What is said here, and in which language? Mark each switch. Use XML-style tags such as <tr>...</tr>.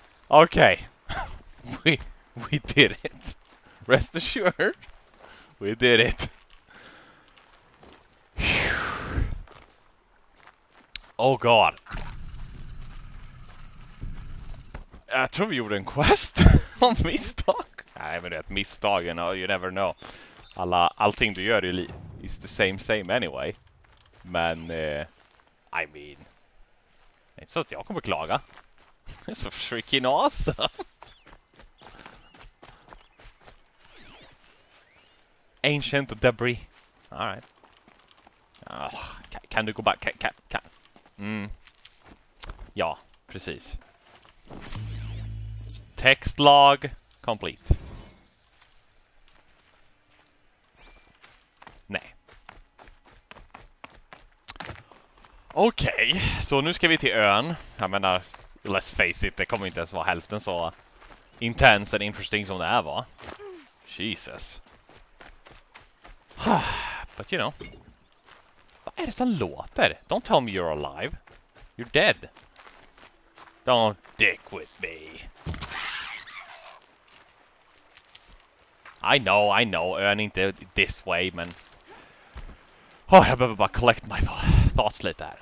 <en>Okay. We did it. Rest assured, we did it. Oh god. I thought we were in quest on</en> <sv>misstag. Nej, men det är ett misstag,</sv> <en>you know, you never know.</en> <sv>Allting du gör</sv> <en>is the same anyway.</en> <sv>Men,</sv> <en>I mean...</en> <sv>Det är inte så att jag kommer klaga. Det är så</sv> <en>freaking awesome! Ancient debris. Alright. Oh,</en> <sv>kan du gå</sv> <en>back? Kan. Mm.</en> <sv>Ja, precis.</sv> <en>Text log complete.</en> <sv>Okej, så nu ska vi till ön. Jag menar,</sv> <en>let's face it,</en> <sv>det kommer inte ens vara hälften så</sv> <en>intense and interesting</en> <sv>som det här var.</sv> <en>Jesus. But you know.</en> <sv>Vad är det som låter?</sv> <en>Don't tell me you're alive. You're dead. Don't dick with me. I know, earning the, this way,</en> <sv>men... Oh, jag behöver bara</sv> <en>collect my thoughts</en> <sv>lite här.</sv>